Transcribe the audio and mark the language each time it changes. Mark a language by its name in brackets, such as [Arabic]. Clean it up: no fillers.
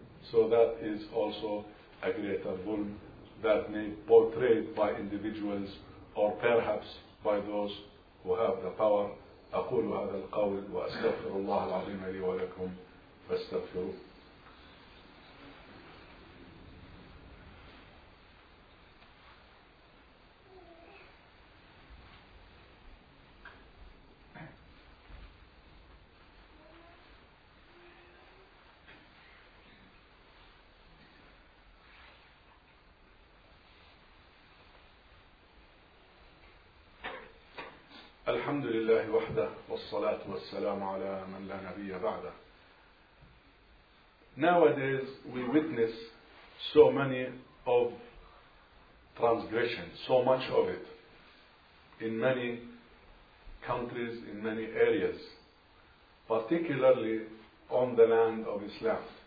[English] So that is also a greater dhulm that may be portrayed by individuals or perhaps by those who have the power. [Arabic] أقول هذا القول وأستغفر الله العظيم لي ولكم فاستغفروا. الحمد لله وحده والصلاة والسلام على من لا نبي بعده. [English] Nowadays we witness so many of transgression, so much of it in many countries, in many areas, particularly on the land of Islam.